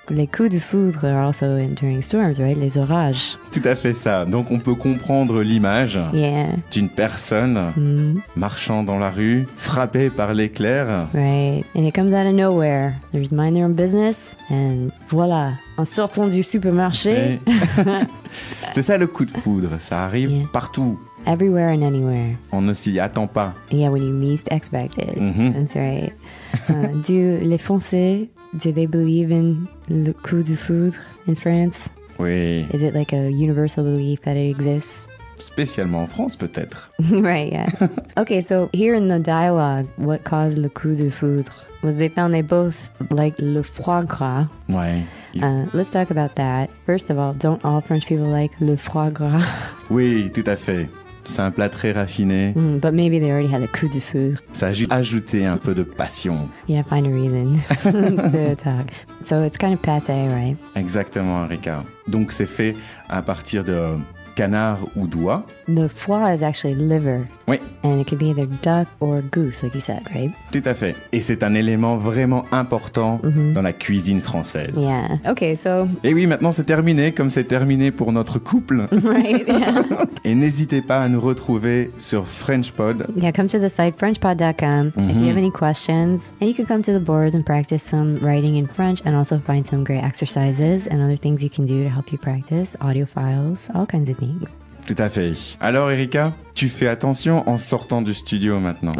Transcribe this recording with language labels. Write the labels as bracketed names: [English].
[French] Les coups de foudre [English] are also during storms, right? [French] Les orages. Tout à fait ça. Donc on peut comprendre l'image d'une personne marchant dans la rue, frappée par l'éclair. [English] Right. And it comes out of nowhere. They're just minding their own business. And [French] voilà, en sortant du supermarché. C'est ça le coup de foudre. Ça arrive partout. [English] Everywhere and anywhere. [French] On ne s'y attend pas. [English] Yeah, when you least expect it. Mm-hmm. That's right. Do [French] les Français, [English] do they believe in [French] le coup de foudre [English] in France? [French] Oui. [English] Is it like a universal belief that it exists? [French] spécialement en France peut-être. [English] Right, yeah. Okay, so here in the dialogue, what caused [French] le coup de foudre? [English] Was they found they both like [French] le foie gras? Ouais. [English] Let's talk about that. First of all, don't all French people like [French] le foie gras? Oui, tout à fait. C'est un plat très raffiné. [English] But maybe they already had a coup de foudre. [French] Ça a juste ajouté un peu de passion. [English] Yeah, find a reason to talk. So it's kind of pâté, right? [French] Exactement, Erika. Donc c'est fait à partir de canard ou d'oie. [English] The foie is actually liver. [French] Oui. [English] And it could be either duck or goose, like you said, right? [French] Tout à fait. Et c'est un élément vraiment important dans la cuisine française. [English] Yeah. Okay, so... [French] Et oui, maintenant c'est terminé, comme c'est terminé pour notre couple. [English] Right, yeah. [French] Et n'hésitez pas à nous retrouver sur FrenchPod. [English] Yeah, come to the site FrenchPod.com. If you have any questions, and you can come to the board and practice some writing in French and also find some great exercises and other things you can do to help you practice, audio files, all kinds of things. [French] Tout à fait. Alors, Erika, tu fais attention en sortant du studio maintenant.